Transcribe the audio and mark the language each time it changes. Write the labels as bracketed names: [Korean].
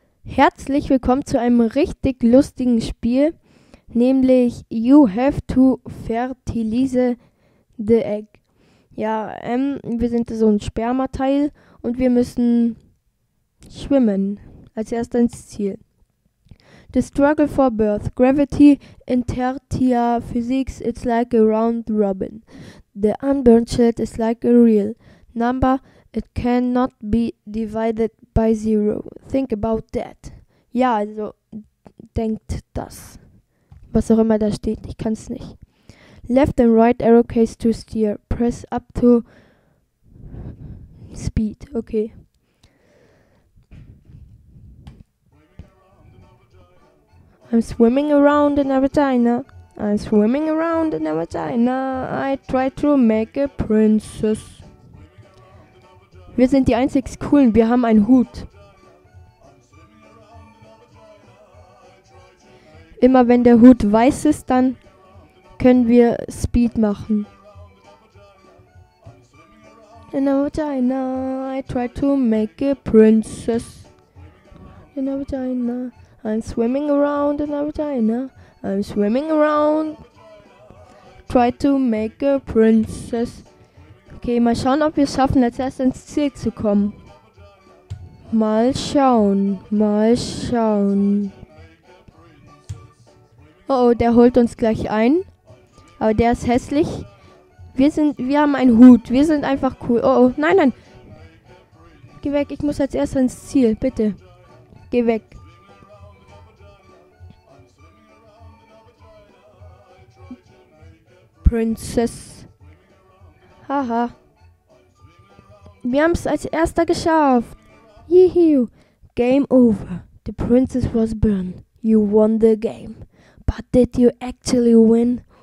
[German] Herzlich willkommen zu einem richtig lustigen Spiel, nämlich You Have to Fertilize the Egg. Ja, wir sind so ein Spermateil und wir müssen schwimmen als erstes ins Ziel. [English] The struggle for birth, gravity in tertia physics, it's like a round robin. The unburned child is like a real number, it cannot be divided by zero. Think about that. [German] Ja, also denkt das. Was auch immer da steht, ich kann es nicht. [English] Left and right arrow case to steer. Press up to speed. Okay. I'm swimming around in a vagina. I'm swimming around in a vagina. I try to make a princess. [German] Wir sind die einzig coolen, wir haben einen Hut. Immer wenn der Hut weiß ist, dann können wir Speed machen. [English] In a vagina, I try to make a princess. In a vagina, I'm swimming around in a vagina. I'm swimming around, try to make a princess. [German] Okay, mal schauen, ob wir es schaffen, als erstes ins Ziel zu kommen. Mal schauen, mal schauen. Oh, der holt uns gleich ein. Aber der ist hässlich. Wir haben einen Hut. Wir sind einfach cool. Oh, nein, nein. Geh weg, ich muss als erstes ins Ziel, bitte. Geh weg. Princess. Haha. Wir haben es als erster geschafft. [English] Yee-hoo. Game over. The princess was burned. You won the game. But did you actually win?